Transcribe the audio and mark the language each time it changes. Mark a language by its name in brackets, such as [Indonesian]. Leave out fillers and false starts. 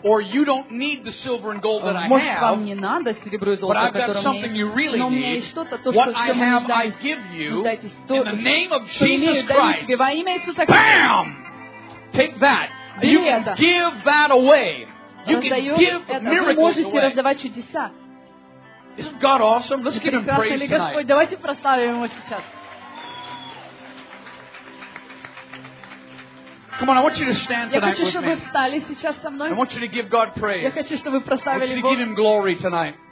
[English] Or you don't need the silver and gold that I have. [Russian] Может, вам не надо серебро и золото, которое у меня. [English] But I've got something you really need. [Russian] Но у меня есть что-то, то, [English] what [Russian] что [English] I have, [Russian] дать, [English] I give you. In the name of Jesus Christ. [Russian] Во имя Иисуса Христа. [English] Bam! Take that. You can give that away. You can give miracles away. Isn't God awesome? Let's give Him praise tonight. [Russian] Давайте прославим Его сейчас. [English] Come on, I want you to stand tonight [Russian] хочу, [English] with me. I want you to give God praise. [Russian] Хочу, [English] I want you to give Him glory tonight.